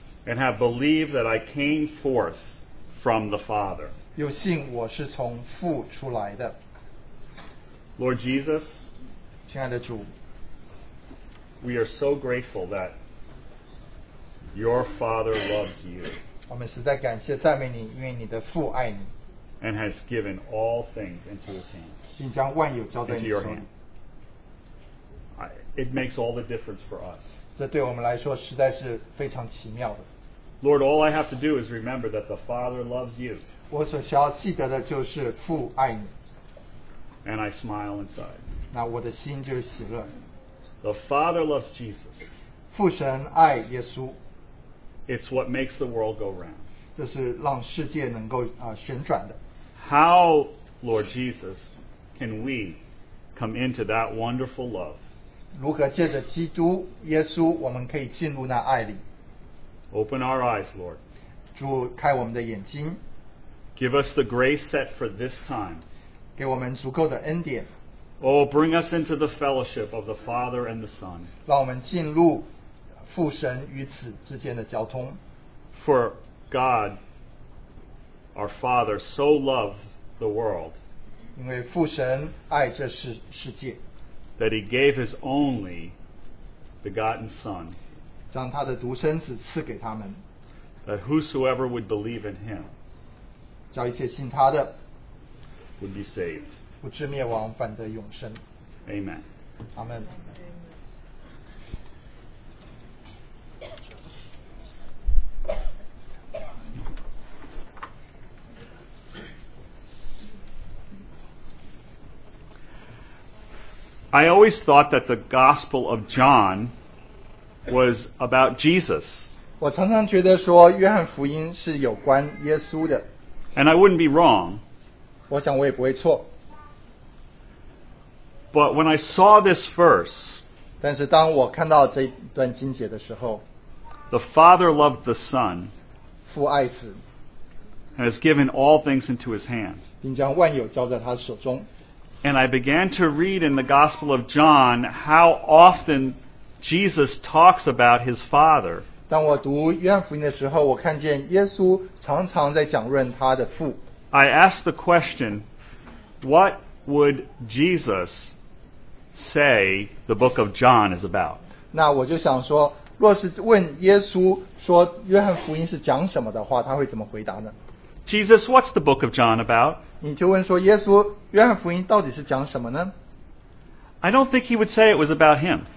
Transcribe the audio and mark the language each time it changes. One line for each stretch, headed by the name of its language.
English: and have believed that I came forth from the Father.
Chinese: 又信我是从父出来的。
English: Lord Jesus,
Chinese: 亲爱的主,
English: we are so grateful that your Father loves you.
Chinese: 我们实在感谢赞美你, 因为你的父爱你,
English: and has given all things into his hands.
Chinese: 并将万有交在你手里。
English: It makes all the difference for us.
Chinese: 这对我们来说实在是非常奇妙的。
English: Lord, all I have to do is remember that the Father loves you.
Chinese: 我所需要记得的就是父爱你。
English: And I smile inside.
Chinese: 那我的心就是喜乐。
English: The Father loves Jesus.
Chinese: 父神爱耶稣。
English: It's what makes the world go round.
Chinese: 这是让世界能够旋转的。
English: How, Lord Jesus, can we come into that wonderful love.
Chinese: 如何借着基督耶稣, 我们可以进入那爱里。
English: Open our eyes, Lord.
Chinese: 主开我们的眼睛。
English: Give us the grace set for this time.
Chinese: 给我们足够的恩典。
English: Oh, bring us into the fellowship of the Father and the Son.
Chinese: 让我们进入父神与子之间的交通。
English: For God, our Father, so loved the world.
Chinese: 因为父神爱这世界。
English: That he gave his only begotten Son.
Chinese: 将他的独生子赐给他们。
English: That whosoever would believe in him.
Chinese: 叫一切信他的。
English: Would be saved.
Chinese: 不至灭亡，反得永生。
English: Amen. Amen. I always thought that the Gospel of John was about Jesus.
Chinese: 我常常觉得说约翰福音是有关耶稣的。
English: And I wouldn't be wrong.
Chinese: 我想我也不会错。
English: But when I saw this verse,
Chinese: 但是当我看到这段经节的时候,
English: the Father loved the Son
Chinese: 父爱子,
English: and has given all things into his hand.
Chinese: 并将万有交在他手中。
English: And I began to read in the Gospel of John how often Jesus talks about his Father.
Chinese: 当我读约翰福音的时候, 我看见耶稣常常在讲论他的父。
English: I asked the question, what would Jesus say the book of John is about?
Chinese: 那我就想说, 若是问耶稣说约翰福音是讲什么的话, 他会怎么回答呢?
English: Jesus, what's the book of John about?
Chinese: 你就问说耶稣约翰福音到底是讲什么呢?
English: I don't think he would say it was about him.